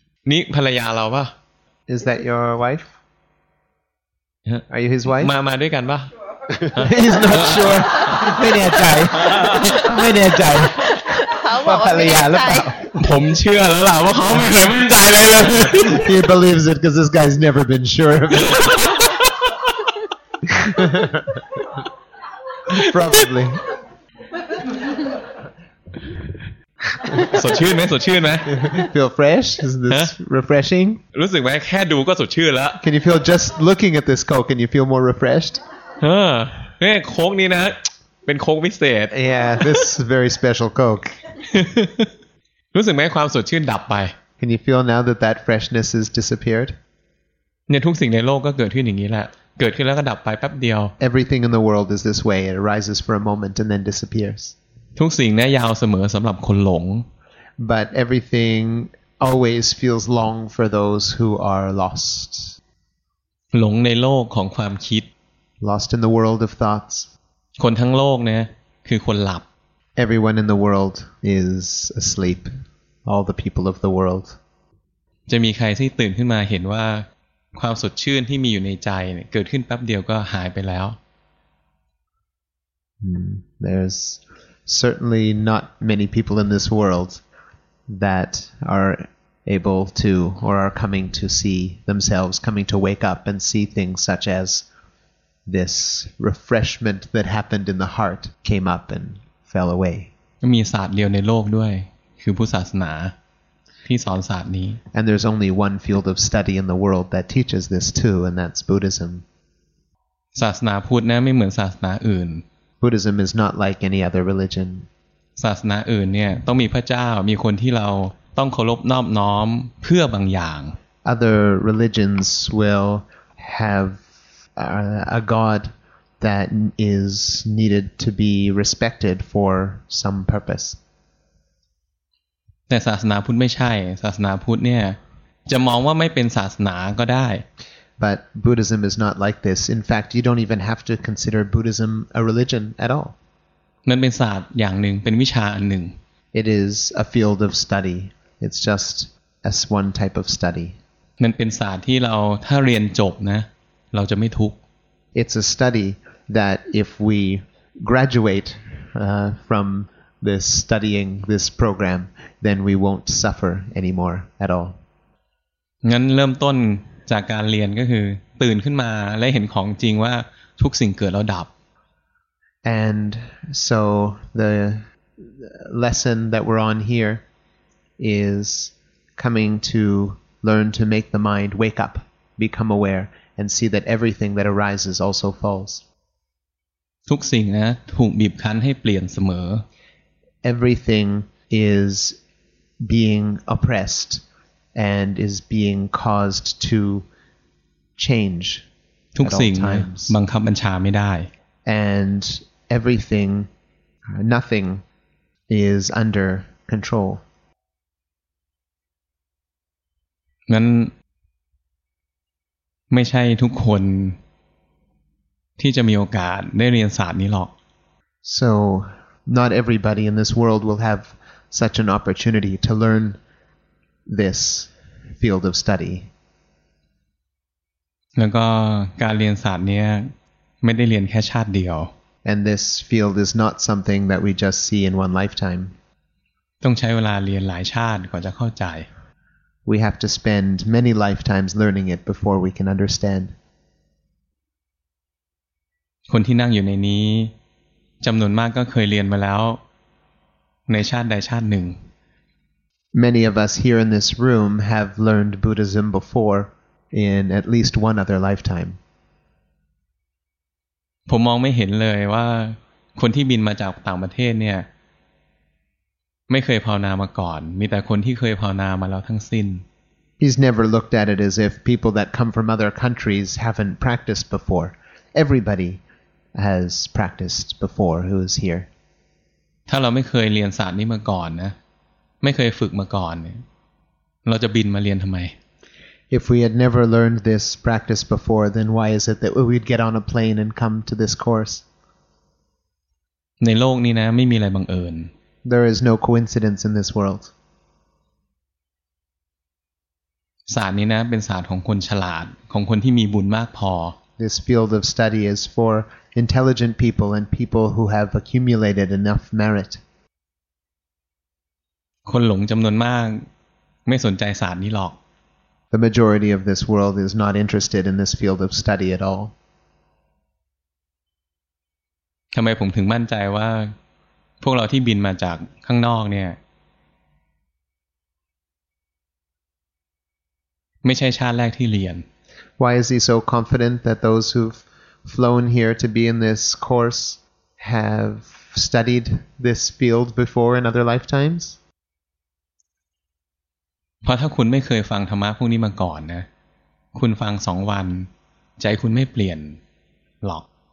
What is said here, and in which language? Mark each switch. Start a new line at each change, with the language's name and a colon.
Thai: นี่ภรรยาเราป่ะ
English: Is that your wife? Are you his wife?
Thai: มาด้วยกันป่ะ
English: He's not sure
Thai: ไม่แน่ใจไม่แน่ใจ เขาบอก ภรรยาหรือเปล่า ผมเชื่อแล้วล่ะว่าเขาไม่เคยมั่นใจเลยเลย
English: He believes it because this guy's never been sure of it Probably.
Thai: สดชื่นไหมสดชื่นไหม
English: Feel fresh? Is this refreshing?
Thai: รู้สึกไหมแค่ดูก็สดชื่นแล้ว
English: Can you feel just looking at this coke? Can you feel more refreshed?
Thai: เฮ้ยโค้กนี้นะเป็นโค้กพิเศษ
English: Yeah, this is very special coke.
Thai: รู้สึกไหมความสดชื่นดับไป
English: Can you feel now that freshness has disappeared?
Thai: เนี่ยทุกสิ่งในโลกก็เกิดขึ้นอย่างนี้แหละเกิดขึ้นแล้วก็ดับไปแป๊บเดียว
English: Everything in the world is this way. It arises for a moment and then disappears.
Thai: ทุกสิ่งนี้ยาวเสมอสำหรับคนหลง
English: But everything always feels long for those who are lost.
Thai: หลงในโลกของความคิด
English: Lost in the world of thoughts.
Thai: คนทั้งโลกเนี่ยคือคนหลับ
English: Everyone in the world is asleep. All the people of the world.
Thai: จะมีใครที่ตื่นขึ้นมาเห็นว่าความสดชื่นที่มีอยู่ในใจเนี่ยเกิดขึ้นแป๊บเดียวก็หายไปแล้ว
English: There's certainly not many people in this world that are able to or are coming to see themselves coming to wake up and see things such as this refreshment that happened in the heart came up and fell away
Thai: มีศาสตร์เดียวในโลกด้วยคือพุทธศาสนาที่สอนศาสตร์นี้
English: And there's only one field of study in the world that teaches this too and that's Buddhism
Thai: ศาสนาพุทธนะไม่เหมือนศาสนาอื่น
English: Buddhism is not like any other religion
Thai: ศาสนาอื่นเนี่ยต้องมีพระเจ้ามีคนที่เราต้องเคารพนอบน้อมเพื่อบางอย่าง
English: Other religions will have a god that is needed to be respected for some purpose
Thai: แต่ศาสนาพุทธไม่ใช่ศาสนาพุทธเนี่ยจะมองว่าไม่เป็นศาสนาก็ได้
English: But Buddhism is not like this. In fact, you don't even have to consider Buddhism a religion at all.
Thai: มันเป็นศาสตร์อย่างหนึ่งเป็นวิชาอันหนึ่ง
English: It is a field of study. It's just as one type of study.
Thai: มันเป็นศาสตร์ที่เราถ้าเรียนจบนะเราจะไม่ทุกข์
English: It's a study that if we graduate from this studying this program then we won't suffer anymore at all.
Thai: งั้นเริ่มต้นจากการเรียนก็คือตื่นขึ้นมาและเห็นของจริงว่าทุกสิ่งเกิดแล้วดับ
English: And so the lesson that we're on here is coming to learn to make the mind wake up, become aware, and see that everything that arises also falls.
Thai: ทุกสิ่งนะถูกบีบคั้นให้เปลี่ยนเสม
English: อ Everything is being oppressed. And is being caused to change at all times.
Thai: บังคับบัญชาไม่ได้
English: And everything, nothing is under control.
Thai: งั้นไม่ใช่ทุกคนที่จะมีโอกาสได้เรียนศาสตร์นี้หรอก
English: So not everybody in this world will have such an opportunity to learn this. Field of study.
Thai: แล้วก็การเรียนศาสตร์เนี้ยไม่ได้เรียนแค่ชาติเดียว
English: And this field is not something that we just see in one lifetime.
Thai: ต้องใช้เวลาเรียนหลายชาติก่อนจะเข้าใจ
English: We have to spend many lifetimes learning it before we can understand.
Thai: คนที่นั่งอยู่ในนี้จำนวนมากก็เคยเรียนมาแล้วในชาติใดชาติหนึ่ง
English: Many of us here in this room have learned Buddhism before in at least one other lifetime.
Thai: ผมมองไม่เห็นเลยว่าคนที่บินมาจากต่างประเทศเนี่ยไม่เคยภาวนามาก่อนมีแต่คนที่เคยภาวนามาแล้วทั้งสิ้น
English: He's never looked at it as if people that come from other countries haven't practiced before. Everybody has practiced before who is here.
Thai: ถ้าเราไม่เคยเรียนศาสตร์นี้มาก่อนนะไม่เคยฝึกมาก่อนเราจะบินมาเรียนทำไม
English: If we had never learned this practice before then why is it that we'd get on a plane and come to this course
Thai: ในโลกนี้นะไม่มีอะไรบังเอิญ
English: There is no coincidence in this world
Thai: ศาสตร์นี้นะเป็นศาสตร์ของคนฉลาดของคนที่มีบุญมากพอ
English: This field of study is for intelligent people and people who have accumulated enough merit
Thai: คนหลงจำนวนมากไม่สนใจศาสตร์นี้หรอก
English: The majority of this world is not interested in this field of study at all.
Thai: ทำไมผมถึงมั่นใจว่าพวกเราที่บินมาจากข้างนอกเนี่ยไม่ใช่ชาติแรกที่เรียน
English: Why is he so confident that those who've flown here to be in this course have studied this field before in other lifetimes?
Thai: เพราะถ้าคุณไม่เคยฟังธรรมะพวกนี้มาก่อนนะคุณฟังสองวันใจคุณไม่เปลี่ยนหรอก